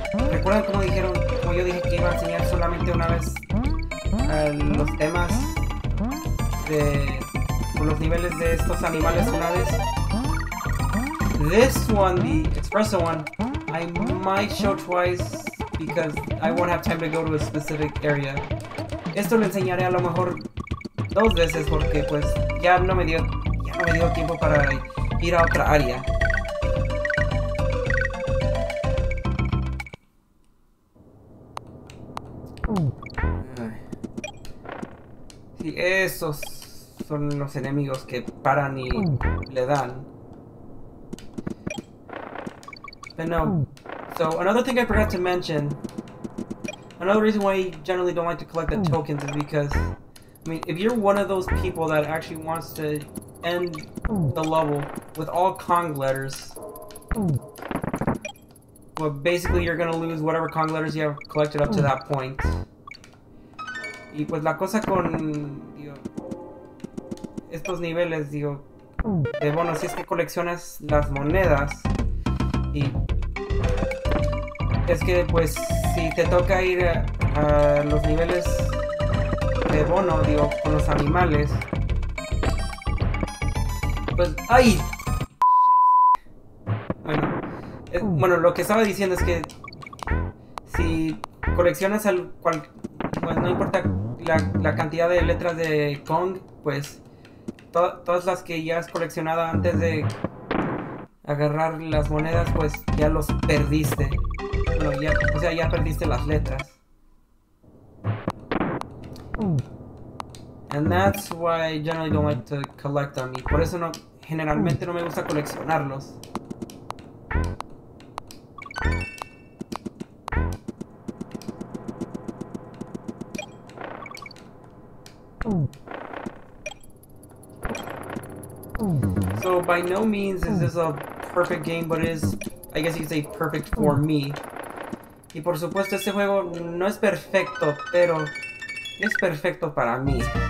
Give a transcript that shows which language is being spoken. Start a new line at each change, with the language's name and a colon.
Spanish: ¿Recuerdan cómo dijeron, como yo dije que iba a enseñar solamente una vez los temas de los niveles de estos animales una vez?
English: This one, the espresso one, I might show twice because I won't have time to go to a specific area.
Spanish: Esto lo enseñaré a lo mejor dos veces porque pues ya no me dio tiempo para ir a otra área. Sí, esos son los enemigos que paran y le dan.
English: But no. So, another thing I forgot to mention. Another reason why you generally don't like to collect the tokens is because, I mean, if you're one of those people that actually wants to end the level with all Kong letters, well, basically you're gonna lose whatever Kong letters you have collected up to that point.
Spanish: Y pues la cosa con, digo, estos niveles, digo, de bueno, si es que coleccionas las monedas, y es que pues si te toca ir a los niveles de bono, digo, con los animales, pues ¡ay! Bueno, bueno, lo que estaba diciendo es que si coleccionas al cual, pues no importa la cantidad de letras de Kong, pues todas las que ya has coleccionado antes de agarrar las monedas, pues ya los perdiste. Bueno, ya, o sea, ya perdiste las letras.
English: And that's why I generally don't like to collect them.
Spanish: Y por eso no, generalmente no me gusta coleccionarlos.
English: So by no means is this a perfect game, but it is, I guess you could say, perfect for me.
Spanish: Y por supuesto, este juego no es perfecto, pero es perfecto para mí.